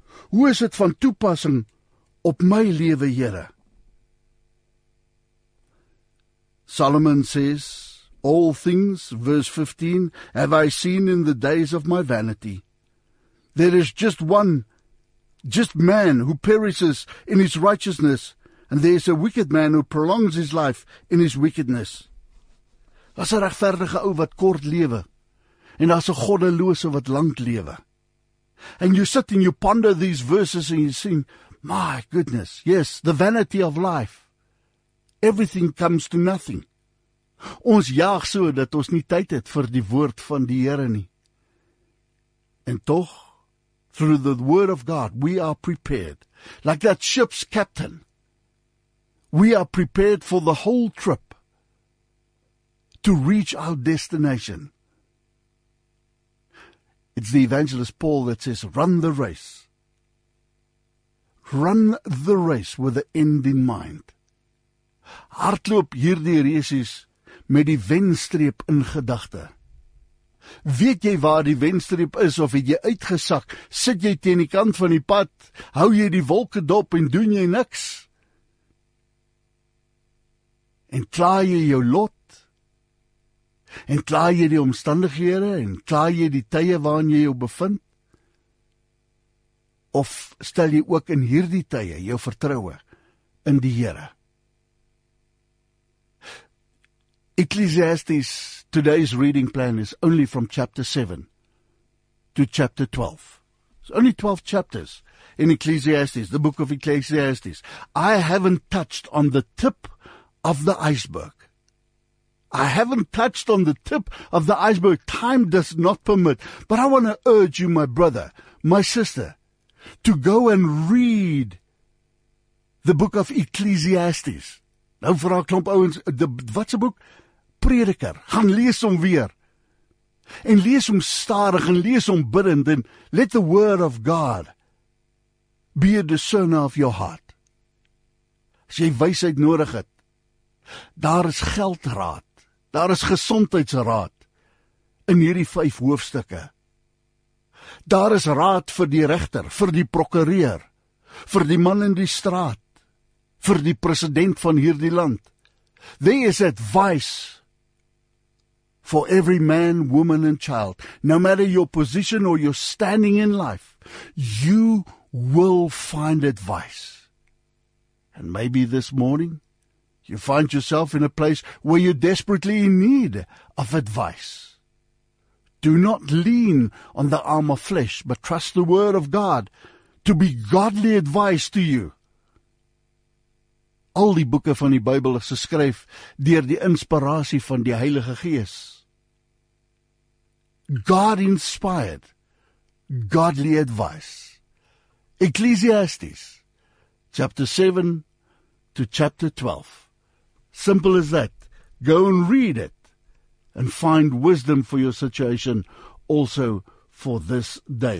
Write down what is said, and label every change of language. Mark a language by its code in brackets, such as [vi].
[af] Hoe is het van toepassing op my lewe, Here? [en] Solomon says, all things, verse 15, have I seen in the days of my vanity. There is just one, just man who perishes in his righteousness, and there is a wicked man who prolongs his life in his wickedness. [af] As 'n regverdige ou wat kort lewe, en as 'n goddelose wat lank lewe. [en] And you sit and you ponder these verses and you sing, my goodness, yes, the vanity of life. Everything comes to nothing. [af] Ons jaag so dat ons nie tyd het vir die woord van die Here nie. En toch, [en] through the word of God, we are prepared. Like that ship's captain, we are prepared for the whole trip to reach our destination. It's the evangelist Paul that says, run the race. Run the race with the end in mind. [af] Hardloop hierdie reisies met die wenstreep in gedagte. Weet jy waar die wenstreep is of het jy uitgesak? Sit jy teen die kant van die pad? Hou jy die wolke dop en doen jy niks? En klaar jy jou lot? En klaar jy die omstandighede en klaar jy die tye waarin jy jou bevind? Of stel jy ook in hierdie tye jou vertroue in die Here? [en] Ecclesiastes, today's reading plan is only from chapter 7 to chapter 12. It's only 12 chapters in Ecclesiastes, the book of Ecclesiastes. I haven't touched on the tip of the iceberg. I haven't touched on the tip of the iceberg. Time does not permit. But I want to urge you, my brother, my sister, to go and read the book of Ecclesiastes. [af] Nou vir haar klomp ouens, wat se boek? Prediker. Gaan lees hom weer. En lees hom stadig en lees hom bidend. [en] En let the word of God be a discerner of your heart. [af] As jy wysheid nodig het, daar is geldraad. Daar is gesondheidsraad in hierdie 5 hoofstukke. Daar is raad vir die regter, vir die prokureur, vir die man in die straat, vir die president van hierdie land. [en] There is advice for every man, woman and child. No matter your position or your standing in life, you will find advice. And maybe this morning, you find yourself in a place where you're desperately in need of advice. Do not lean on the arm of flesh, but trust the word of God to be godly advice to you. [af] Al die boeke van die Bybel is geskryf deur die inspirasie van die Heilige Gees. [en] God inspired, godly advice. Ecclesiastes, chapter 7 to chapter 12. Simple as that. Go and read it. And find wisdom for your situation also for this day.